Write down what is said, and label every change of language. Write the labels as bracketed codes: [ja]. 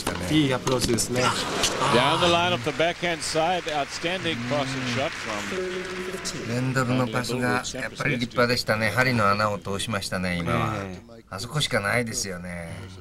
[ja] いいアプローチですね。 [en] Down the line of the backhand side, outstanding crossing shot from. [ja] レンドルのパスがやっぱり立派でしたね。針の穴を通しましたね。今はあそこしかないですよね。